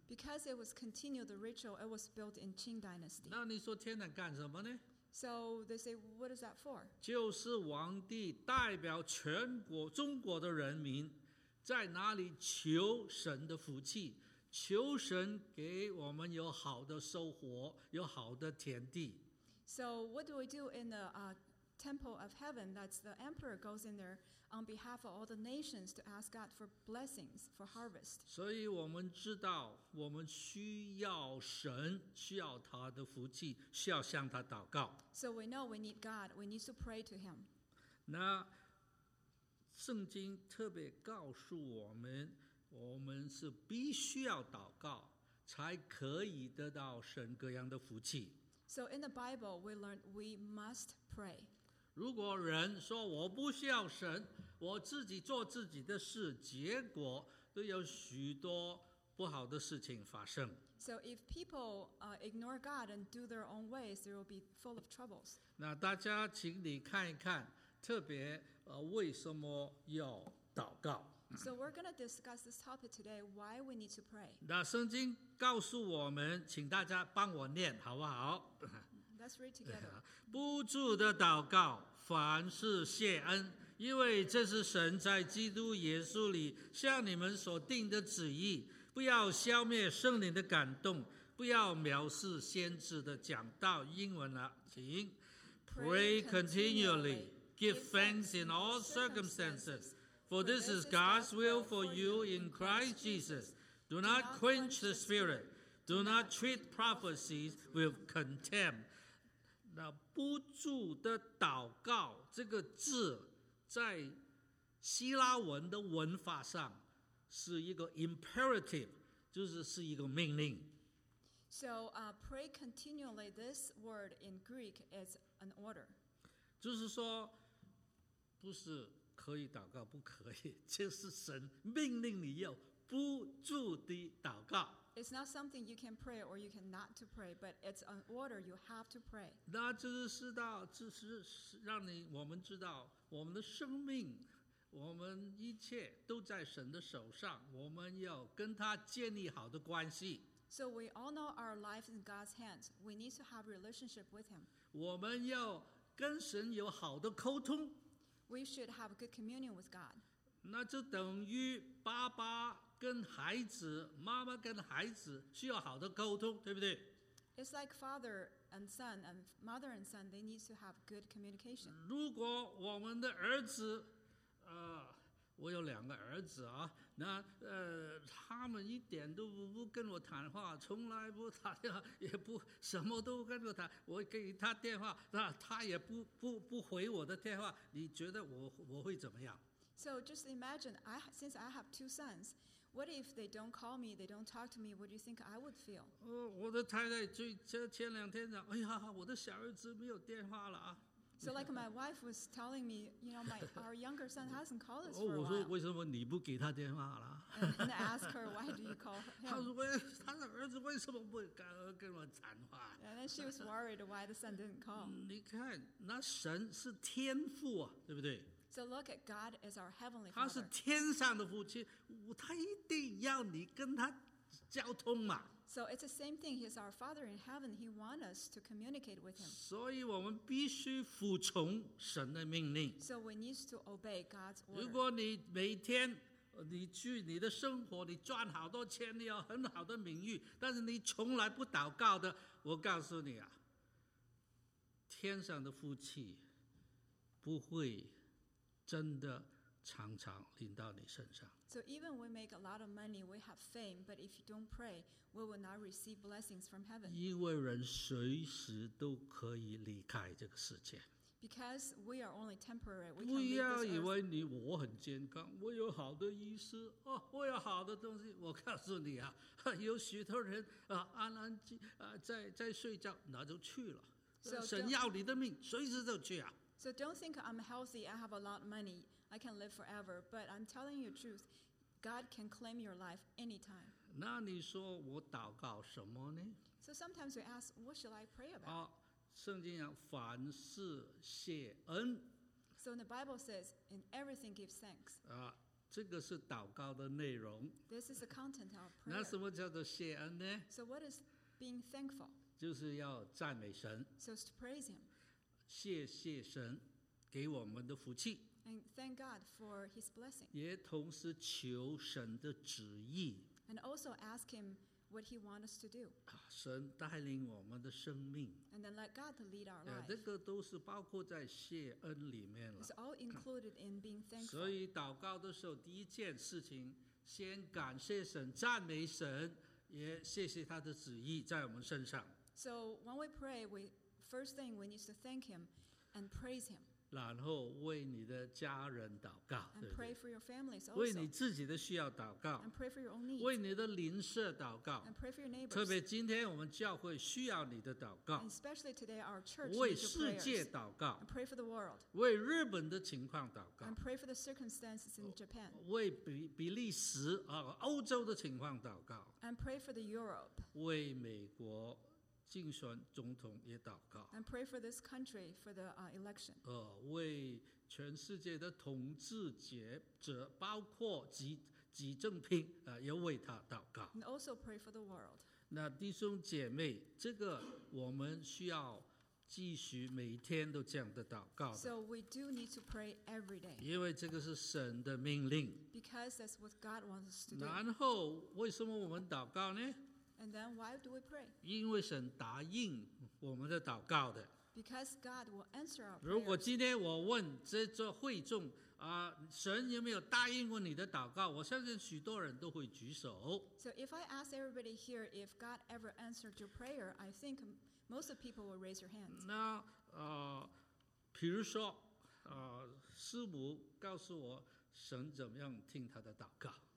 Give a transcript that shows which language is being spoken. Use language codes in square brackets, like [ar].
[en] Because it was continued the ritual, it was built in Qing Dynasty. [zh] 那你说天坛干什么呢？ [en] So they say, what is that for? [zh] 就是皇帝代表全国中国的人民，在哪里求神的福气，求神给我们有好的收获，有好的田地。 [en] So what do we do in the Temple of Heaven? That's the emperor goes in there. On behalf of all the nations to ask God for blessings for harvest. [zh] 所以我们知道我们需要神，需要他的福气，需要向他祷告。 [en] So we know we need God, we need to pray to him. [zh] 那圣经特别告诉我们，我们是必须要祷告才可以得到神各样的福气。 [en] So in the Bible we learned we must pray. [zh] 如果人说我不需要神，我自己做自己的事，结果都有许多不好的事情发生。 [en] So if people ignore God and do their own ways, there will be full of troubles. [zh] 那大家请你看一看，特别为什么要祷告。 [en] So we're going to discuss this topic today, why we need to pray. [zh] 那圣经告诉我们，请大家帮我念好不好？ [en] Let's read together. [zh] 不住的祷告，凡事谢恩，因为这是神在基督耶稣里向你们所定的旨意。不要消灭圣灵的感动，不要藐视先知的讲道。英文了，请 [en] Pray continually, give thanks in all circumstances, for this is God's will for you in Christ Jesus. Do not quench the spirit. Do not treat prophecies with contempt. [zh] 那不住的祷告这个字，在希腊文的文法上是一个 imperative， 就是是一个命令。 [en] So, pray continually. This word in Greek is an order. [zh] 就是说，不是可以祷告不可以，这是神命令你要不住的祷告。 [en] It's not something you can pray or you cannot to pray, but it's an order you have to pray. [zh] 那就是知道，就是让你我们知道，我们的生命，我们一切都在神的手上，我们要跟他建立好的关系。 [en] So we all know our life in God's hands. We need to have a relationship with Him. [zh] 我们要跟神有好的沟通。 [en] We should have a good communion with God. [zh] 那就等于爸爸。跟孩子，妈妈跟孩子需要好的沟通，对不对？ [en] It's like father and son and mother and son, they need to have good communication. [zh] 如果我们的儿子，我有两个儿子啊，那他们一点都不跟我谈话，从来不打电话，也不什么都跟我谈。我给他电话，那他也不回我的电话。你觉得我会怎么样？ [en] So just imagine, since I have two sons. What if they don't call me, they don't talk to me, what do you think I would feel? 我的太太最前两天讲，哎呀，我的小儿子没有电话了啊。 So like my wife was telling me, you know, our younger son hasn't called us for a while. [zh] 我说为什么你不给他电话了？ [en] And then I asked her, why do you call him? [zh] 他的儿子为什么不跟我谈话？ [en] And then she was worried why the son didn't call. [zh] 你看，那神是天父啊，对不对？ [en] So look at God as our heavenly Father. [zh] 他是天上的父亲，他一定要你跟他交通嘛。 [en] So it's the same thing. He's our Father in heaven. He wants us to communicate with him. [zh] 所以我们必须服从神的命令。 [en] So we need to obey God's order. [zh] 如果你每天你去你的生活，你赚好多钱，你有很好的名誉，但是你从来不祷告的，我告诉你啊，天上的福气不会真的常常临到你身上。 [en] So even we make a lot of money, we have fame, but if you don't pray, we will not receive blessings from heaven. [zh] 因为人随时都可以离开这个世界。 [en] Because we are only temporary, we can leave this earth. [zh] 不要以为你我很健康，我有好的医师，哦，我有好的东西。我告诉你啊，有许多人啊，安安静啊，在睡觉，那就去了。神要你的命，随时就去啊。 [en] So don't think I'm healthy, I have a lot of money, I can live forever. But I'm telling you the truth, God can claim your life anytime. [zh] 那你说我祷告什么呢? [en] So sometimes we ask, what shall I pray about? [zh] 圣经讲凡事谢恩。 [en] So in the Bible says, in everything give thanks. [zh] 这个是祷告的内容。 [en] This is the content of prayer. [zh] 那什么叫做谢恩呢? [en] So what is being thankful? [zh] 就是要赞美神。 [en] So it's to praise him. [zh] 谢谢神给我们的福气 [en] and thank God for his blessing. [zh] 也同时求神的旨意 [en] and also ask him what he wants us to do. [zh] 神带领我们的生命 [en] and then let God lead our life. [zh] 这个都是包括在谢恩里面了 [en] It's all included in being thankful. [zh] 所以祷告的时候第一件事情先感谢神赞美神也谢谢他的旨意在我们身上 [en] So when we pray, weFirst thing, we need to thank him and praise him. [zh] 然后为你的家人祷告 [en] And pray for your families also. [zh] 为你自己的需要祷告 [en] And pray for your own needs. [zh] 为你的邻舍祷告 [en] And pray for your neighbors. [zh] 特别今天我们教会需要你的祷告 [en] And especially today our church needs your prayers. [zh] 为世界祷告 [en] And pray for the world. [zh] 为日本的情况祷告 [en] And pray for the circumstances in Japan. [zh] 为比利时欧洲的情况祷告 [en] And pray for the Europe. [zh] 为美国竞选总统也祷告 [en] and pray for this country for the election [zh] 为全世界的统治者包括习近平也为他祷告 [en] and also pray for the world [zh] 那弟兄姐妹这个我们需要继续每天都这样的祷告的 [en] so we do need to pray every day [zh] 因为这个是神的命令 [en] because that's what God wants us to do [zh] 然后为什么我们祷告呢 [en] And then why do we pray? [zh] 因为神答应我们的祷告的。 [en] Because God will answer our prayers. [zh] 如果今天我问这座会众啊，神有没有答应过你的祷告？我相信许多人都会举手。 [en] So if I ask everybody here if God ever answered your prayer, I think most of people will raise your hands. [zh] 那比如说师母告诉我神怎么样听他的祷告。